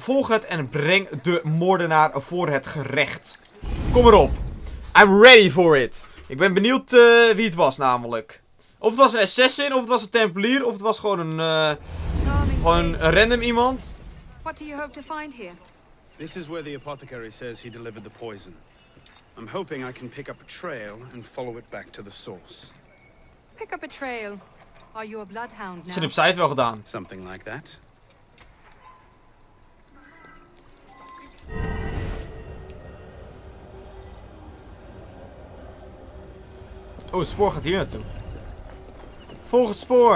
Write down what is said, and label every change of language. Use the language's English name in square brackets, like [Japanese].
[Dutch] Volg het en breng de moordenaar voor het gerecht. Kom erop. [English] I'm ready for it. [Dutch] Ik ben benieuwd wie het was namelijk. Of het was een assassin, of het was een templier, of het was gewoon een random iemand. [English] What do you hope to find here? This is where the apothecary says he delivered the poison. I'm hoping I can pick up a trail and follow it back to the source. Pick up a trail. Are you a bloodhound now? [Dutch] Zijn op zij het wel gedaan. [English] Something like that. [Dutch] Oh, het spoor gaat hier naartoe. Volg het spoor.